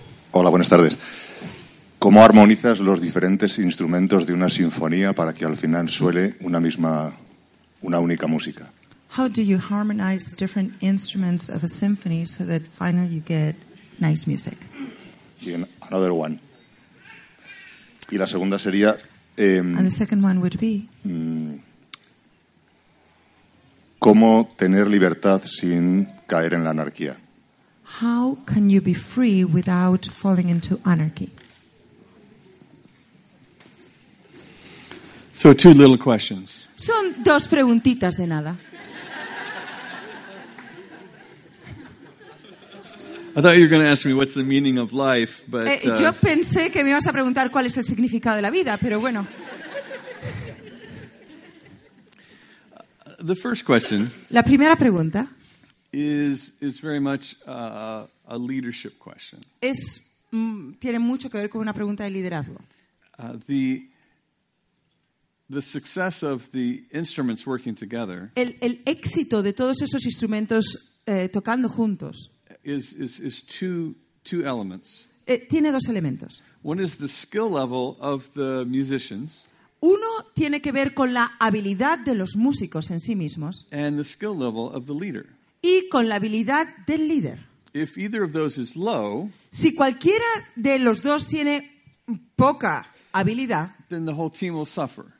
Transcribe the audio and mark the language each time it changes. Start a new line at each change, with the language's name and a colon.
Spanish: Hola, buenas tardes. ¿Cómo armonizas los diferentes instrumentos de una sinfonía para que al final suene una única música?
English: How do you harmonize different instruments of a symphony so that finally you get nice music? Another one.
Spanish: Y la segunda sería.
English: And the second one would be.
Spanish: ¿Cómo tener libertad sin caer en la anarquía?
English: How can you be free without falling into anarchy? So two little questions.
Spanish: Son dos preguntitas de nada.
English: I thought you were going to ask me what's the meaning of life, but
Spanish: yo pensé que me ibas a preguntar cuál es el significado de la vida, pero bueno.
English: The first question.
Spanish: La primera pregunta
English: is very much a leadership question.
Spanish: Es tiene mucho que ver con una pregunta de liderazgo.
English: The success of the instruments working together.
Spanish: El éxito de todos esos instrumentos tocando juntos.
English: Is two elements.
Spanish: Tiene dos elementos.
English: One is the skill level of the musicians.
Spanish: Uno tiene que ver con la habilidad de los músicos en sí mismos.
English: And the skill level of the leader.
Spanish: Y con la habilidad del líder.
English: If either of those is low,
Spanish: si cualquiera de los dos tiene poca habilidad,
English: then the whole team will suffer.